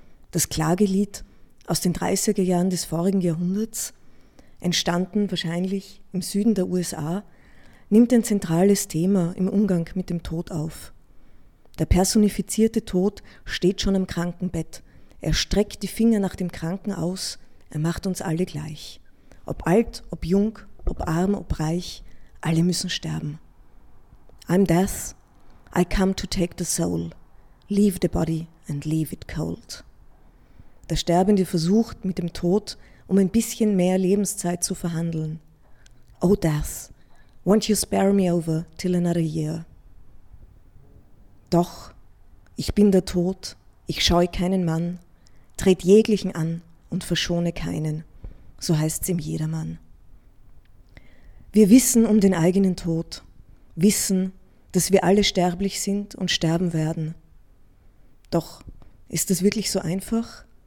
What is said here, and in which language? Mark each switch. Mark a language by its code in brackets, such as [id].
[de] Das Klagelied aus den 30er Jahren des vorigen Jahrhunderts, entstanden wahrscheinlich im Süden der USA, nimmt ein zentrales Thema im Umgang mit dem Tod auf. Der personifizierte Tod steht schon am Krankenbett. Er streckt die Finger nach dem Kranken aus. Er macht uns alle gleich. Ob alt, ob jung, ob arm, ob reich, alle müssen sterben. [en] I'm death, I come to take the soul, leave the body and leave it cold. [de] Der Sterbende versucht mit dem Tod, um ein bisschen mehr Lebenszeit zu verhandeln. [en] Oh death, won't you spare me over till another year? [de] Doch, ich bin der Tod, ich scheue keinen Mann, tret jeglichen an und verschone keinen, so heißt's ihm Jedermann. Wir wissen um den eigenen Tod, wissen, dass wir alle sterblich sind und sterben werden. Doch ist das wirklich so einfach?